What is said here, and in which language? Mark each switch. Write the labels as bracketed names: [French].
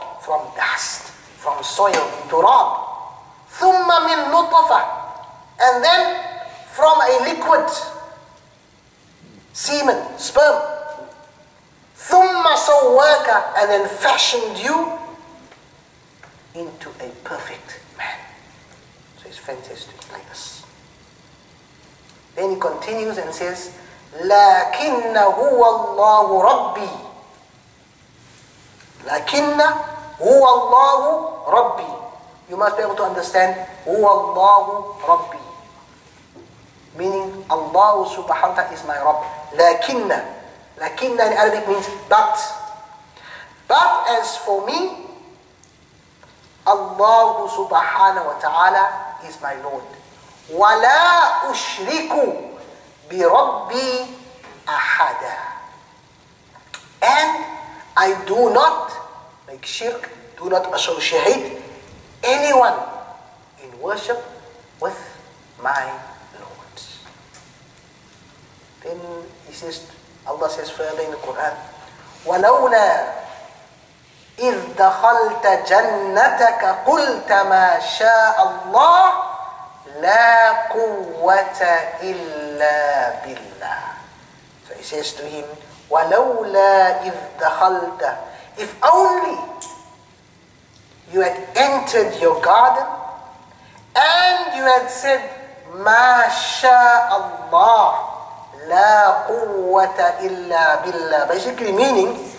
[English] From dust, from soil, turab. [Arabic] Thumma min nutfa, [English] and then from a liquid, semen, sperm. [Arabic] ثُمَّ سَوَّاكَ [English] and then fashioned you into a perfect man. So it's fantastic like this. Then he continues and says, [Arabic] لَكِنَّ هُوَ اللَّهُ رَبِّي لَكِنَّ هُوَ اللَّهُ رَبِّي. [English] You must be able to understand [Arabic] هُوَ اللَّهُ رَبِّي, [English] meaning Allah subhanahu wa ta'ala is my Rabb. لَكِنَّ in Arabic means but. But as for me, Allah subhanahu wa ta'ala is my Lord. [Arabic] وَلَا أُشْرِكُ بِرَبِّي أَحَدًا. [English] And I do not make shirk, do not associate anyone in worship with my Lord. Then he says, Allah says further in the Quran, [Arabic] وَلَوْلَا إِذْ دَخَلْتَ جَنَّتَكَ قُلْتَ مَا شَاءَ اللَّهُ لَا قُوَّةَ إِلَّا بِاللَّهِ. [English] So he says to him, [Arabic] وَلَوْلَا إِذْ دَخَلْتَ, [English] if only you had entered your garden and you had said, [Arabic] مَا شَاءَ اللَّهُ لَا قُوَّةَ إِلَّا بِاللَّهِ, [English] basically meaning,